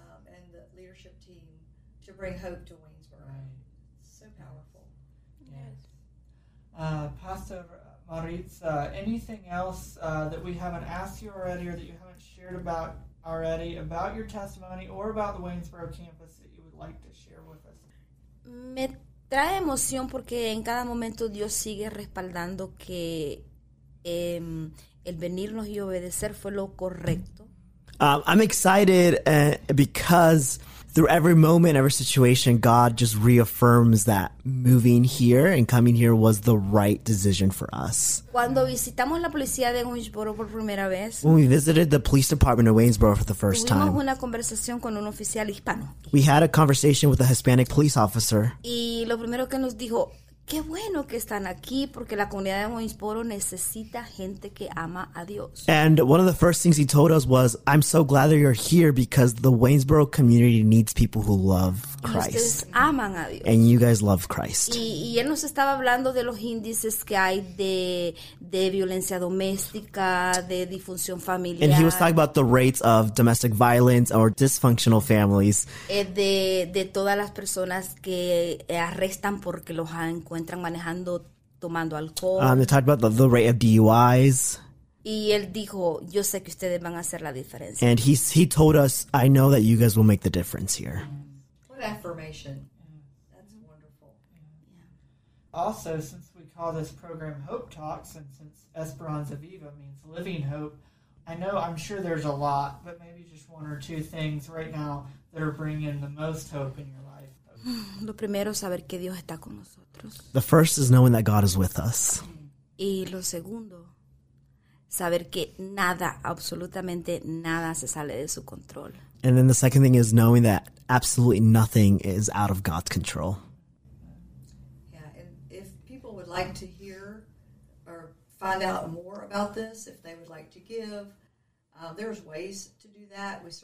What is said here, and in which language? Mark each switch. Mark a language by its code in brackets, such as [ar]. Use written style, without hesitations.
[en] And the leadership team to bring hope to Waynesboro. Right. So powerful. Yes. Pastor Maritza, anything else that we haven't asked you already or that you haven't shared about already about your testimony or about the Waynesboro campus that you would like to share with us? [es] Me trae emoción porque en cada momento Dios sigue respaldando que el venirnos y obedecer fue lo correcto. [en] I'm excited because through every moment, every situation, God just reaffirms that moving here and coming here was the right decision for us. [es] Cuando visitamos la policía de Waynesboro por primera vez, [en] when we visited the police department of Waynesboro for the first [es] tuvimos [en] time, [es] una conversación con un oficial hispano. [en] We had a conversation with a Hispanic police officer. [es] Y lo primero que nos dijo, qué bueno que están aquí porque la comunidad de Waynesboro necesita gente que ama a Dios. [en] And one of the first things he told us was, I'm so glad that you're here because the Waynesboro community needs people who love Christ. [es] Y ustedes aman a Dios. [en] And you guys love Christ. [es] Y él nos estaba hablando de los índices que hay de violencia doméstica, de disfunción familiar. [en] And he was talking about the rates of domestic violence or dysfunctional families. [es] De todas las personas que arrestan porque los han encuentran manejando, tomando alcohol. [en] They talked about the rate of DUIs. [es] Y él dijo, yo sé que ustedes van a hacer la diferencia. [en] And he told us, I know that you guys will make the difference here. What affirmation. That's wonderful. Yeah. Also, since we call this program Hope Talks, and since Esperanza Viva means living hope, I know, I'm sure there's a lot, but maybe just one or two things right now that are bringing the most hope in your life. [es] Lo primero, saber que Dios está con nosotros. [en] The first is knowing that God is with us. [es] Y lo segundo, saber que nada, absolutamente nada, se sale de su control. [en] And then the second thing is knowing that absolutely nothing is out of God's control. Yeah, and if people would like to hear or find out more about this, if they would like to give, there's ways to do that.